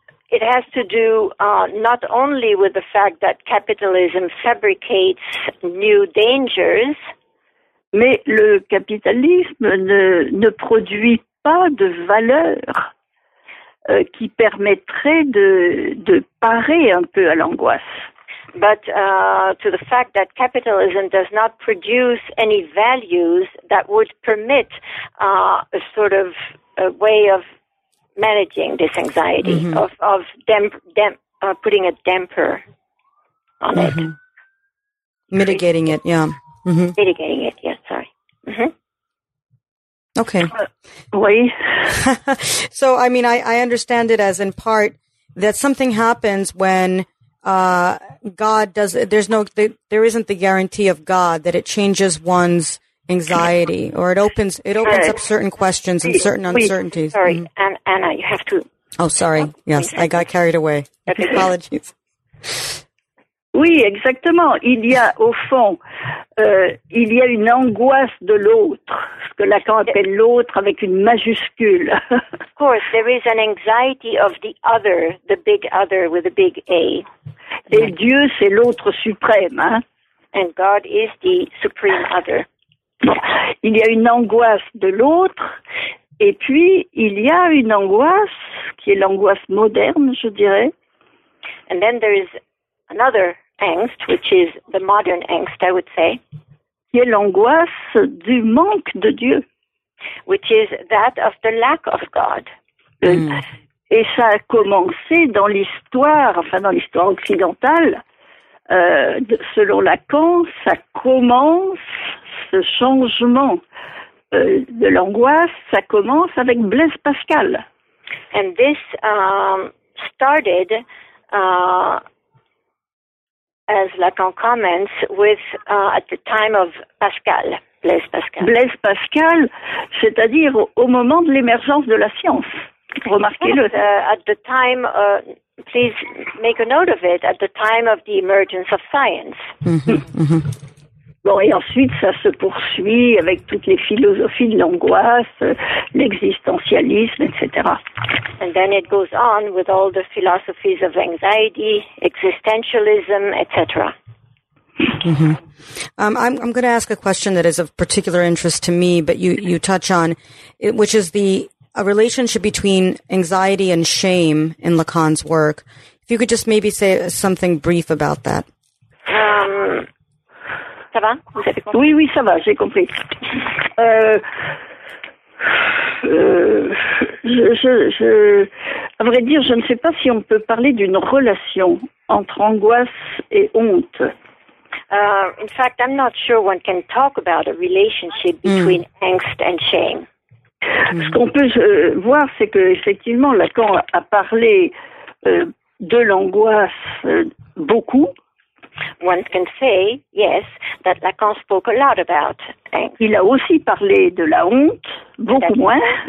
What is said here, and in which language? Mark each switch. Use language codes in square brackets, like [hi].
[en] It has to do not only with the fact that capitalism fabricates new dangers, [fr] mais le capitalisme ne produit pas de valeurs qui permettraient de parer un peu à l'angoisse. [en] But to the fact that capitalism does not produce any values that would permit a sort of a way of managing this anxiety, mm-hmm. Putting a damper on mm-hmm. it. Mitigating it, yeah. Mm-hmm. Mitigating it, yeah, sorry. Mm-hmm. Okay. [fr] Oui. [en] So, I mean, I understand it as in part that something happens when God does. There isn't the guarantee of God that it changes one's anxiety, or it opens up certain questions and certain uncertainties. Sorry, mm-hmm. Anna, you have to. Oh, sorry. Yes, I got carried away. Apologies. [fr] Oui, exactement. Il y a au fond, il y a une angoisse de l'autre, ce que Lacan appelle l'autre avec une majuscule. [en] Of course, there is an anxiety of the other, the big other with a big A. [fr] Et Dieu, c'est l'autre suprême, hein? [en] And God is the supreme other. [fr] Bon. Il y a une angoisse de l'autre, et puis il y a une angoisse qui est l'angoisse moderne, je dirais. [en] And then there is another angst, which is the modern angst, I would say. [fr] Qui est l'angoisse du manque de Dieu. [en] Which is that of the lack of God. Mm. [fr] Et ça a commencé dans l'histoire, enfin dans l'histoire occidentale, selon Lacan, ça commence, ce changement de l'angoisse, ça commence avec Blaise Pascal. [en] And this started, as Lacan comments, with at the time of Pascal, Blaise Pascal. [fr] Blaise Pascal, c'est-à-dire au moment de l'émergence de la science. Remarquez-le. [en] At the time, please make a note of it, at the time of the emergence of science. [fr] Bon, et ensuite, ça se poursuit avec toutes les philosophies de l'angoisse, l'existentialisme, etc. [en] And then it goes on with all the philosophies of anxiety, existentialism, etc. Mm-hmm. I'm going to ask a question that is of particular interest to me, but you touch on it, which is a relationship between anxiety and shame in Lacan's work. If you could just maybe say something brief about that. [fr] Ça va? Oui, oui, ça va, j'ai compris. À vrai dire, je ne sais pas si on peut parler d'une relation entre angoisse et honte. [en] In fact, I'm not sure one can talk about a relationship between angst and shame. [fr] Ce qu'on peut voir, c'est que effectivement, Lacan a parlé de l'angoisse beaucoup. [en] One can say yes that Lacan spoke a lot about angst. [fr] Il a aussi parlé de la honte beaucoup moins.